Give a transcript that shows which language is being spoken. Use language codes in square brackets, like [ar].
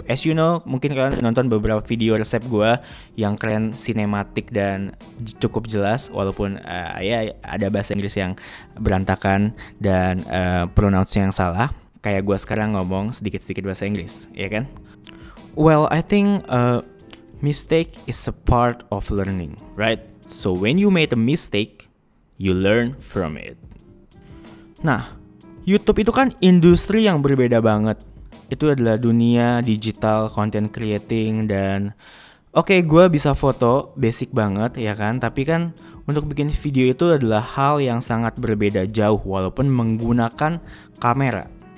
[en] As you know, [id] mungkin kalian nonton beberapa video resep gue yang keren, sinematik dan cukup jelas, walaupun ya ada bahasa Inggris yang berantakan dan pronounce-nya yang salah. Kayak gue sekarang ngomong sedikit-sedikit bahasa Inggris, ya kan? [en] Well, I think mistake is a part of learning, right? So when you made a mistake, you learn from it. [id] Nah, YouTube itu kan industri yang berbeda banget. Itu adalah dunia digital content creating, dan Oke, gue bisa foto, basic banget ya kan. Tapi kan untuk bikin video itu adalah hal yang sangat berbeda jauh walaupun menggunakan kamera.